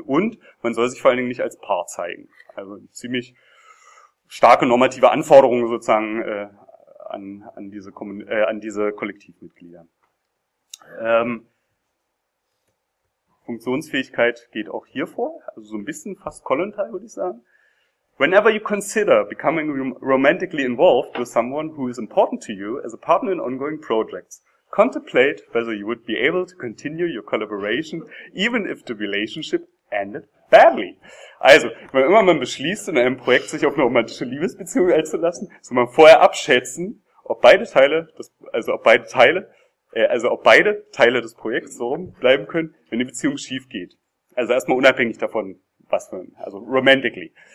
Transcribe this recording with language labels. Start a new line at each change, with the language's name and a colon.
German: Und man soll sich vor allen Dingen nicht als Paar zeigen. Also ziemlich starke normative Anforderungen sozusagen an diese Kollektivmitglieder. Funktionsfähigkeit geht auch hier vor, also so ein bisschen fast Kollontal, würde ich sagen.
English: Whenever you consider becoming romantically involved with someone who is important to you as a partner in ongoing projects, contemplate whether you would be able to continue your collaboration, even if the relationship ended badly.
German: Also, wenn immer man beschließt, in einem Projekt sich auf eine romantische Liebesbeziehung einzulassen, soll man vorher abschätzen, ob beide Teile des Projekts so bleiben können, wenn die Beziehung schief geht. Also erstmal unabhängig davon, was für ein, also romantically.